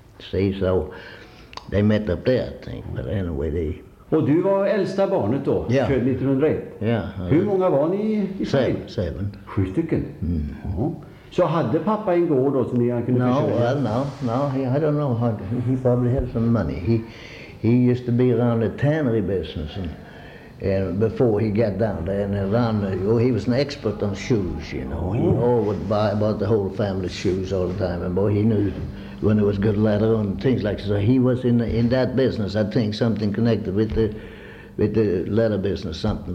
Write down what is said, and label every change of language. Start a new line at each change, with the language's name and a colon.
English: See, so they met up there, I think. But anyway, they.
Swedish: Och du var äldsta barnet då, född 1901. Ja. Hur många var ni i familjen?
English: Seven.
Swedish: Sju stycken. Så hade pappa en gård då som ni kunde försöka?
English: I don't know. He probably had some money. He used to be around the tannery business and before he got down there and around. He was an expert on shoes, you know. He would buy about the whole family's shoes all the time. And boy, he knew when it was good letter and things like that. So he was in that business, I think, something connected with the letter business, something.